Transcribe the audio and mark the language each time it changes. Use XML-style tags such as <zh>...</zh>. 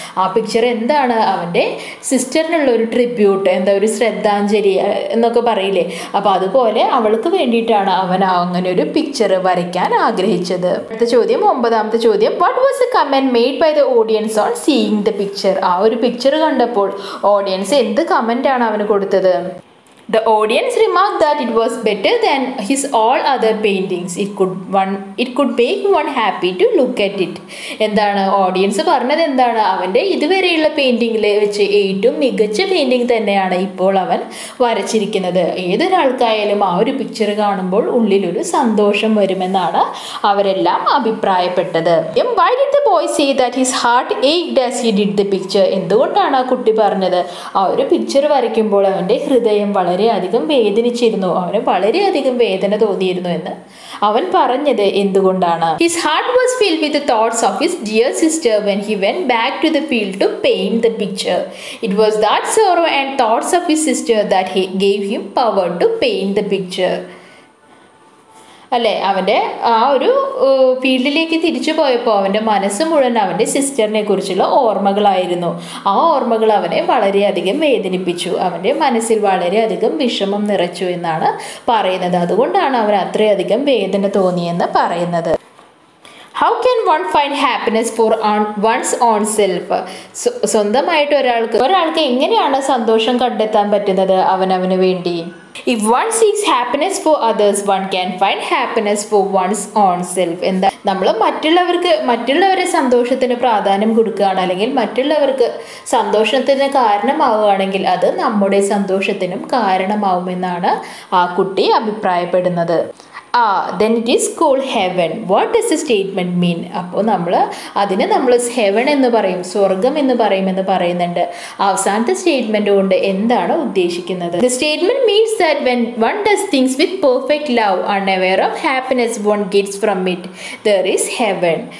<ml>ആ പിക്ചർ എന്താണ്, അവൻ്റെ സിസ്റ്ററിനുള്ള ഒരു ട്രിബ്യൂട്ട്, എന്താ ഒരു ശ്രദ്ധാഞ്ജലി എന്നൊക്കെ പറയില്ലേ, അപ്പോൾ അതുപോലെ അവൾക്ക് വേണ്ടിയിട്ടാണ് അവൻ അങ്ങനെ ഒരു പിക്ചർ വരയ്ക്കാൻ ആഗ്രഹിച്ചത്. അടുത്ത ചോദ്യം, ഒമ്പതാമത്തെ ചോദ്യം,</ml> <en>What was a comment made by the audience on seeing the picture?</en> <ml>ആ ഒരു പിക്ചർ കണ്ടപ്പോൾ ഓഡിയൻസ് എന്ത് കമൻറ്റാണ് അവന് കൊടുത്തത്?</ml> <en>The audience remarked that it was better than his all other paintings. It could make one happy to look at it.</en> <ml>എന്താണ് audience പറഞ്ഞത്? എന്താണ്, അവൻ്റെ ഇതുവരെയുള്ള പെയിൻറ്റിങ്ങിൽ വെച്ച് ഏറ്റവും മികച്ച പെയിൻറ്റിംഗ് തന്നെയാണ് ഇപ്പോൾ അവൻ വരച്ചിരിക്കുന്നത്. ഏതൊരാൾക്കായാലും ആ ഒരു പിക്ചർ കാണുമ്പോൾ ഉള്ളിലൊരു സന്തോഷം വരുമെന്നാണ് അവരെല്ലാം അഭിപ്രായപ്പെട്ടത്.</ml> <en>Why did the boy say that his heart ached as he did the picture?</en> <ml>എന്തുകൊണ്ടാണ് ആ കുട്ടി പറഞ്ഞത്, ആ ഒരു പിക്ചർ വരയ്ക്കുമ്പോൾ അവൻ്റെ ഹൃദയം വളരെയധികം വേദനിച്ചിരുന്നു, അവന് വളരെയധികം വേദന തോന്നിയിരുന്നു എന്ന് അവൻ പറഞ്ഞത് എന്തുകൊണ്ടാണ്?</ml> <en>His heart was filled with the thoughts of his dear sister when he went back to the field to paint the picture. It was that sorrow and thoughts of his sister that he gave him power to paint the picture.</en> <ml>അല്ലേ, അവൻ്റെ ആ ഒരു ഫീൽഡിലേക്ക് തിരിച്ചു പോയപ്പോൾ അവൻ്റെ മനസ്സ് മുഴുവൻ അവൻ്റെ സിസ്റ്ററിനെ കുറിച്ചുള്ള ഓർമ്മകളായിരുന്നു. ആ ഓർമ്മകൾ അവനെ വളരെയധികം വേദനിപ്പിച്ചു, അവൻ്റെ മനസ്സിൽ വളരെയധികം വിഷമം നിറച്ചു എന്നാണ് പറയുന്നത്. അതുകൊണ്ടാണ് അവൻ അത്രയധികം വേദന തോന്നിയെന്ന് പറയുന്നത്.</ml> <en>How can one find happiness for one's own self?</en> <ml>സ്വന്തമായിട്ട് ഒരാൾക്ക് എങ്ങനെയാണ് സന്തോഷം കണ്ടെത്താൻ പറ്റുന്നത് അവനവന് വേണ്ടി?</ml> <en>If one seeks happiness for others, one can find happiness for one's own self.</en> <ml>എന്താ, നമ്മൾ മറ്റുള്ളവർക്ക് മറ്റുള്ളവരെ സന്തോഷത്തിന് പ്രാധാന്യം കൊടുക്കുകയാണ്, അല്ലെങ്കിൽ മറ്റുള്ളവർക്ക് സന്തോഷത്തിന് കാരണമാവുകയാണെങ്കിൽ അത് നമ്മുടെ സന്തോഷത്തിനും കാരണമാവുമെന്നാണ് ആ കുട്ടി അഭിപ്രായപ്പെടുന്നത്.</ml> <en>Then it is called heaven. What does the statement mean?</en> <ml>അപ്പോൾ നമ്മൾ അതിന് നമ്മൾ ഹെവൻ എന്ന് പറയും, സ്വർഗം എന്ന് പറയുമെന്ന് പറയുന്നുണ്ട്. അവസാനത്തെ സ്റ്റേറ്റ്മെൻറ്റ് കൊണ്ട് എന്താണ് ഉദ്ദേശിക്കുന്നത്?</ml> <en>The statement means that when one does things with perfect love unaware of happiness one gets from it there is heaven.</en>